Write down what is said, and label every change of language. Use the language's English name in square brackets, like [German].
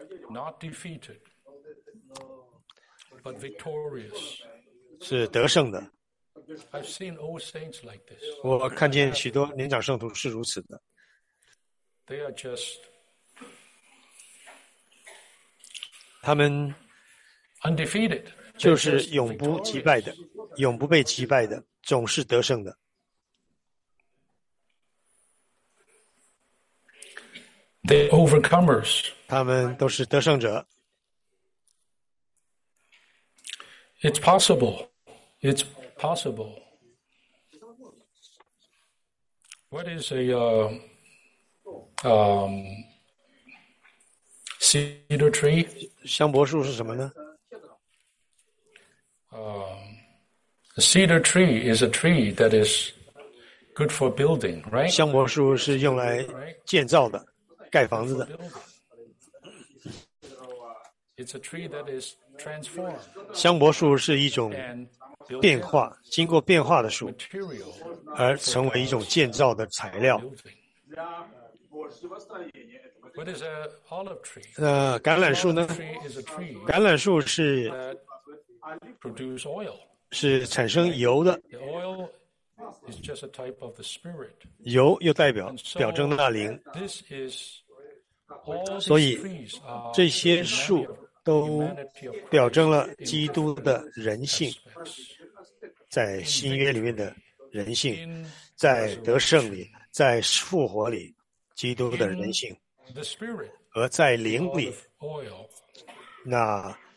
[English] Not defeated, but victorious. [Chinese] 是得胜的。 [English] I've seen old saints like this. [Chinese] 我看见许多年长圣徒是如此的。 [English] They are just. [Chinese] 他们 [English] undefeated. [Chinese] 就是永不击败的，永不被击败的，总是得胜的。 [English] The overcomers. [Chinese] 他们都是得胜者。 [English] It's possible. It's possible. What is a cedar tree? [Chinese] 香柏树是什么呢？ [English] A cedar tree is a tree that is good for building, right? [Chinese] 香柏树是用来建造的。盖房子的。 [English] It's a tree that is transformed. [Chinese] 香柏树是一种变化，经过变化的树，而成为一种建造的材料。 [English] What is a olive tree? [Chinese] 橄榄树呢？橄榄树是 [English] produce oil. [Chinese] 是产生油的。 [English] Oil is just a type of the spirit. [Chinese] 油又代表表征那灵。 [English] This is [Chinese] 所以这些树都表征了基督的人性，在新约里面的人性，在得胜里，在复活里，基督的人性，而在灵里，那